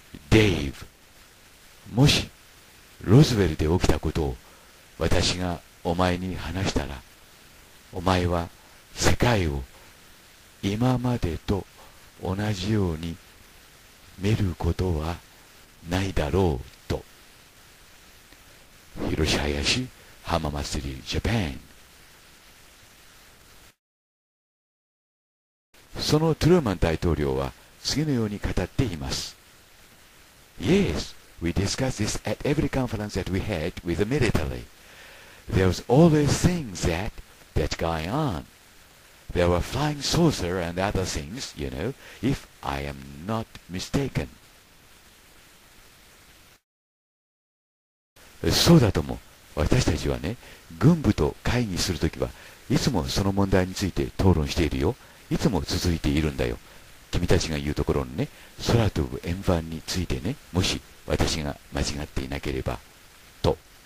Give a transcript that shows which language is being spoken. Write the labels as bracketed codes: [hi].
[ja] デイブ、もしロズウェルで起きたことを私がお前に話したら、お前は世界を今までと同じように見ることはないだろう。と、広し林、浜祭り、ジャパン。そのトルーマン大統領は次のように語っています。 [en] Yes, we discussed this at every conference that we had with the military. There was always things that going on. There were flying saucer and other things, you know, if I am not mistaken. [ja] そうだとも、私たちはね、軍部と会議するときはいつもその問題について討論しているよ。いつも続いているんだよ。君たちが言うところのね、空飛ぶ円盤についてね、もし私が間違っていなければと。